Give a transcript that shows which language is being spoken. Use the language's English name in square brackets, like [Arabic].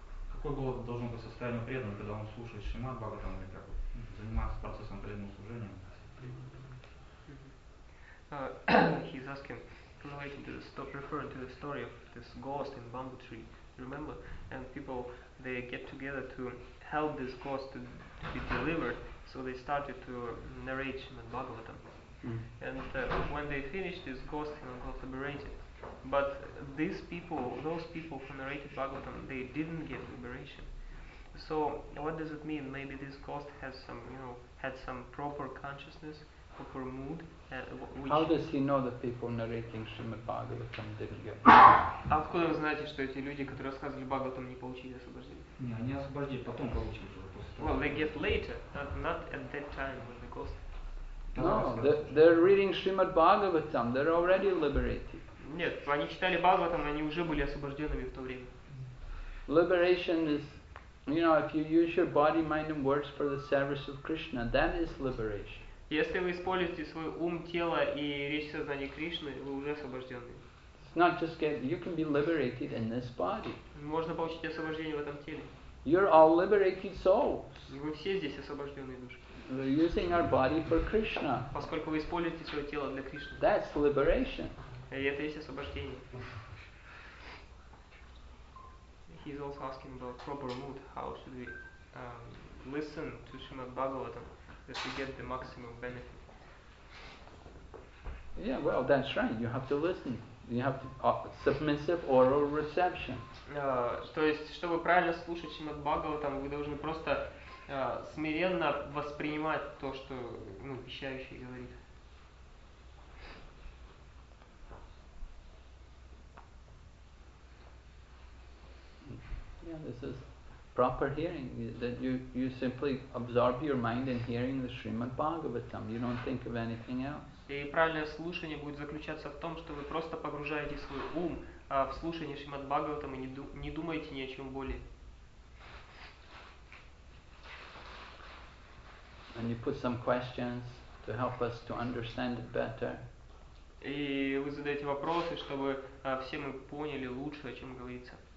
[Russian] Какое было должно быть состояние преданного, когда он слушает Шримад Бхагаватам или как занимается процессом преданного служения? [English] He's asking relating to the story, referring to the story of this ghost in bamboo tree. Remember, and people they get together to help this ghost to be delivered, so they started to narrate Shrimad Bhagavatam. When they finished, this ghost got liberated. But these people, those people who narrated Bhagavatam, they didn't get liberation. So what does it mean? Maybe this ghost has some, had some proper consciousness, proper mood. How does he know the people narrating Shrimad Bhagavatam didn't get? [Russian] Откуда вы знаете, что эти люди, которые рассказывали Бхагаватам, не получили освобождение? Не, они освобождение потом получили уже после того. [English] Well, they get later, not at that time when the ghost. No, they're reading Shrimad Bhagavatam. They're already liberated. [Russian] Нет, они читали Бхагаватам, они уже были освобожденными в то время. [English] Liberation is, if you use your body, mind and words for the service of Krishna, that is liberation. [Russian] Если вы используете свой ум, тело и речь сознания Кришны, вы уже освобожденный. [English] It's not just you can be liberated in this body. [Russian] Можно получить освобождение в этом теле. [English] You're all liberated souls. [Russian] Вы все здесь освобожденные души. [English] We're using our body for Krishna. [Russian] Поскольку вы используете свое тело для Кришны. [English] That's liberation. [Russian] И это есть освобождение. [English] He's also asking about proper mood. How should we listen to Shrimad Bhagavatam that we get the maximum benefit? Yeah, well, that's right. You have to listen. You have to submissive oral reception. [Russian] То есть, чтобы правильно слушать Шримад Бхагаватам, вы должны просто смиренно воспринимать то, что вещающий говорит. [English] Yeah, this is proper hearing, that you simply absorb your mind in hearing the Srimad Bhagavatam. You don't think of anything else. [Russian] И правильное слушание будет заключаться в том, что вы просто погружаете свой ум в слушание Шримад Бхагаватам и не думаете ни о чем более. [English] And you put some questions to help us to understand it better. [Russian] И вы задаете вопросы, чтобы все мы поняли лучше, о чем говорится.